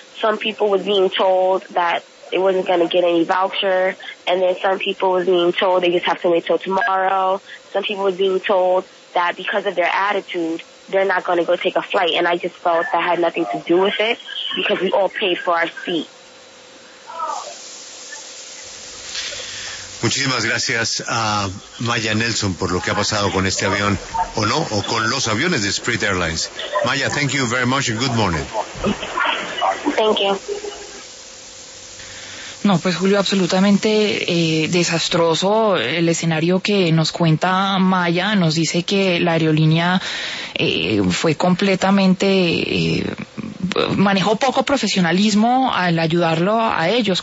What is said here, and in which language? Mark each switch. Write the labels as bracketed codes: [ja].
[en] Some people were being told that they wasn't going to get any voucher, and then some people was being told they just have to wait till tomorrow. Some people were being told that because of their attitude, they're not going to go take a flight, and I just felt that had nothing to do with it because we all paid for our seat. [es] Muchísimas gracias a Maya Nelson por lo que ha pasado con este avión, o no, o con los aviones de Spirit Airlines. [en] Maya, thank you very much and good morning. Thank you. [es] No, pues Julio, absolutamente desastroso el escenario que nos cuenta Maya. Nos dice que la aerolínea fue completamente, manejó poco profesionalismo al ayudarlo a ellos.